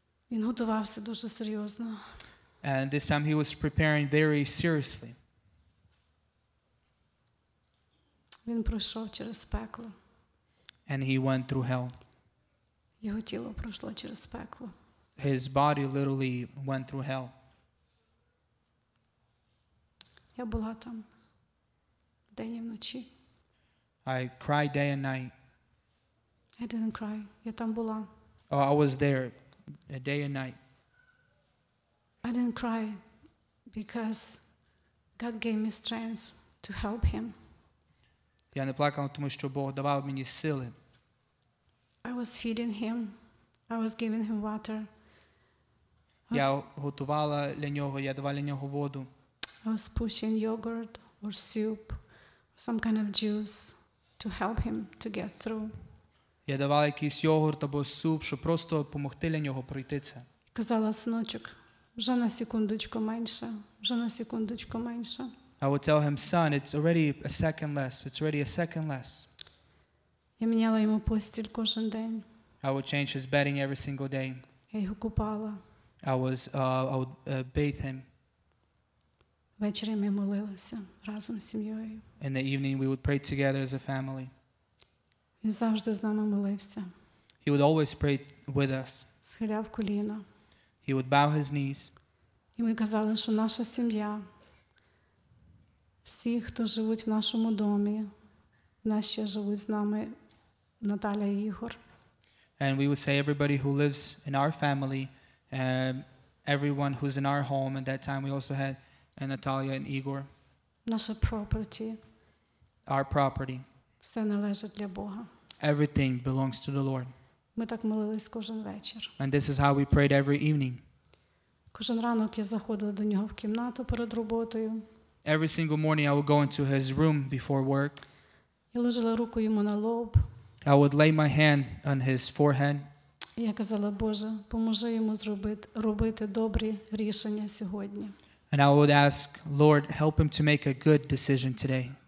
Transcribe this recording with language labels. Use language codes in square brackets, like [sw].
[uk] Він готувався дуже серйозно. [en] And this time he was preparing very seriously. [uk] Він пройшов через пекло. [en] And he went through hell. [uk] Його тіло пройшло через пекло. [en] His body literally went through hell. [uk] Я була там день і вночі. [en] I cried day and night. I didn't cry. [uk] Я там була. [en] Oh, I was there day and night. I didn't cry because God gave me strength to help him. [uk] Я не плакала, тому що Бог давав мені сили. [en] I was feeding him. I was giving him water. [uk] Я готувала для нього, я давала для нього воду. [en] I was pushing yogurt or soup, some kind of juice to help him to get through. [uk] Я давала якийсь йогурт або суп, щоб просто допомогти для нього пройти це. Казала, синочок, вже на секундочку менше, вже на секундочку менше. [en] I would tell him, son, it's already a second less, it's already a second less. [uk] Я міняла йому постіль кожен день. [en] I would change his bedding every single day. [uk] Я його купала. [en] I would bathe him. [uk] Ввечері ми молилися разом з сім'єю. [en] In the evening we would pray together as a family. [uk] Він завжди з нами молився. [en] He would always pray with us. [uk] Схиляв коліна. [en] He would bow his knees. [uk] І ми казали, що наша сім'я, всі, хто живуть в нашому домі, нас ще живуть з нами Наталя і Ігор. [en] And we would say everybody who lives in our family, everyone who's in our home, at that time we also had Наталя and Ігор. [uk] Наша property. [en] Our property. [uk] Все належить для Бога. [en] Everything belongs to the Lord. [uk] Ми так молились кожен вечір. [en] And this is how we prayed every evening. [uk] Кожен ранок я заходила до нього в кімнату перед роботою. [en] Every single morning I would go into his room before work. [uk] Я ложила руку йому на лоб. [en] I would lay my hand on his forehead. [uk] Я казала, Боже, поможи йому робити добрі рішення сьогодні. [en] And I would ask, Lord, help him to make a good decision today.